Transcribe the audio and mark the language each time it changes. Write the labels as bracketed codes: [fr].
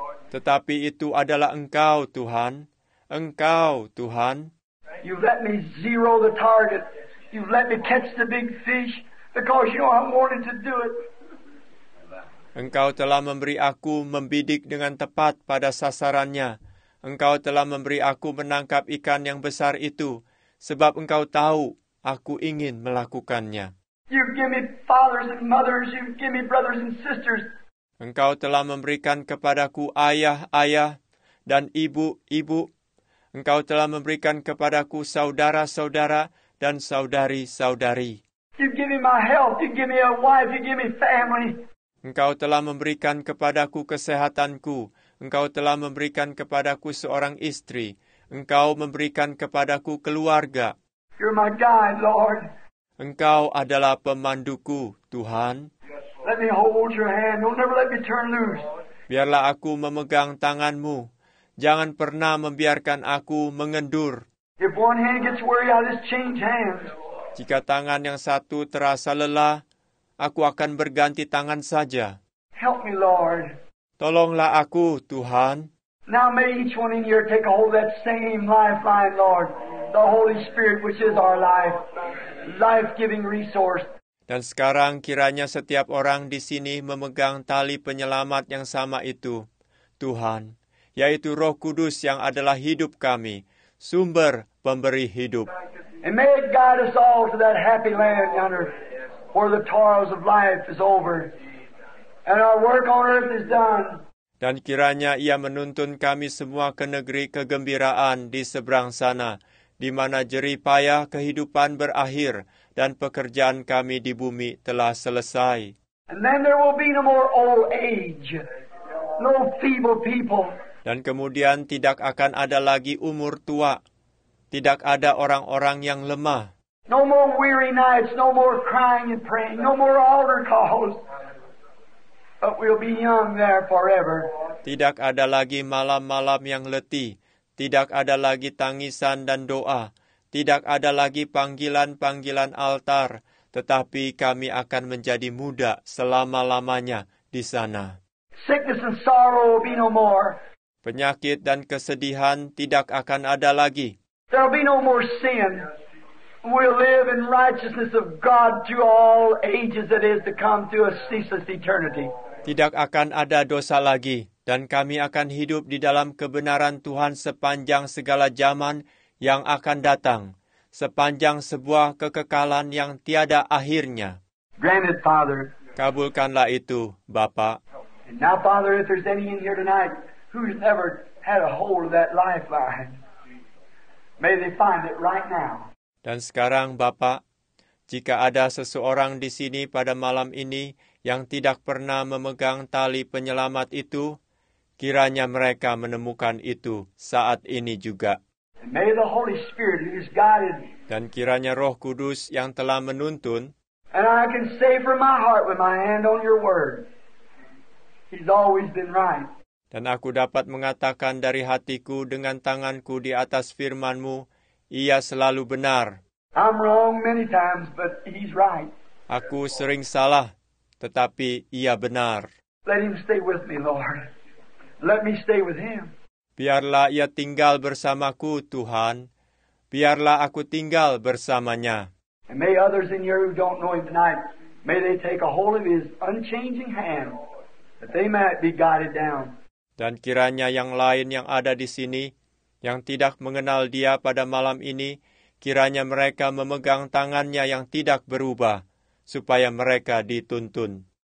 [id] Tetapi itu adalah Engkau, Tuhan. Engkau, Tuhan. [en] You let me zero the target. You let me catch the big fish because you know I wanted to do it. [id] Engkau telah memberi aku membidik dengan tepat pada sasarannya. Engkau telah memberi aku menangkap ikan yang besar itu, sebab Engkau tahu aku ingin melakukannya. [en] You give me fathers and mothers, you give me brothers and sisters. [id] Engkau telah memberikan kepadaku ayah-ayah dan ibu-ibu. Engkau telah memberikan kepadaku saudara-saudara dan saudari-saudari. [en] You give me my health, you give me a wife, you give me family. [id] Engkau telah memberikan kepadaku kesehatanku. Engkau telah memberikan kepadaku seorang istri. Engkau memberikan kepadaku keluarga. [en] You're my guide, Lord. [id] Engkau adalah pemanduku, Tuhan. [en] Let me hold your hand. Don't never let me turn loose. [id] Biarlah aku memegang tanganmu. Jangan pernah membiarkan aku mengendur. [en] If one hand gets weary, I'll just change hands. [id] Jika tangan yang satu terasa lelah, aku akan berganti tangan saja. [en] Help me, Lord. [id] Tolonglah aku, Tuhan. [en] Now may each one in here take a hold of that same lifeline, Lord. The Holy Spirit, which is our life. Life-giving resource. [id] Dan sekarang kiranya setiap orang di sini memegang tali penyelamat yang sama itu. Tuhan, yaitu Roh Kudus yang adalah hidup kami. Sumber pemberi hidup. [en] And may it guide us all to that happy land yonder. For the toils of life is over, and our work on earth is done. [id] Dan kiranya Ia menuntun kami semua ke negeri kegembiraan di seberang sana, di mana jerih payah kehidupan berakhir dan pekerjaan kami di bumi telah selesai. [en] And then there will be no more old age, no feeble people. [id] Dan kemudian tidak akan ada lagi umur tua, tidak ada orang-orang yang lemah. [en] No more weary nights, no more crying and praying, no more altar calls. But we'll be young there forever. [id] Tidak ada lagi malam-malam yang letih, tidak ada lagi tangisan dan doa, tidak ada lagi panggilan-panggilan altar, tetapi kami akan menjadi muda selama-lamanya di sana. [en] Sickness and sorrow will be no more. [id] Penyakit dan kesedihan tidak akan ada lagi. [en] There'll be no more sin. we'll live in righteousness of God through all ages that is to come through a ceaseless eternity. [id] Tidak akan ada dosa lagi, dan kami akan hidup di dalam kebenaran Tuhan sepanjang segala zaman yang akan datang, sepanjang sebuah kekekalan yang tiada akhirnya. [en] Granted, Father. [id] Kabulkanlah itu, Bapak. [en] And now, Father, if there's any in here tonight who's never had a hold of that lifeline, may they find it right now. [id] Dan sekarang, Bapak, jika ada seseorang di sini pada malam ini yang tidak pernah memegang tali penyelamat itu, kiranya mereka menemukan itu saat ini juga. [en] And may the Holy Spirit who's guided. [id] Dan kiranya Roh Kudus yang telah menuntun. [en] And I can say from my heart with my hand on your word, He's always been right. [id] Dan aku dapat mengatakan dari hatiku dengan tanganku di atas firman-Mu, Ia selalu benar. [en] I'm wrong many times, but He's right. [id] Aku sering salah, tetapi Ia benar. [en] Let Him stay with me, Lord. Let me stay with Him. [id] Biarlah Ia tinggal bersamaku, Tuhan. Biarlah aku tinggal bersamanya. [en] And may others in here who don't know Him tonight, may they take a hold of His unchanging hand, that they might be guided down. [id] Dan kiranya yang lain yang ada di sini, yang tidak mengenal Dia pada malam ini, kiranya mereka memegang tangannya yang tidak berubah, supaya mereka dituntun.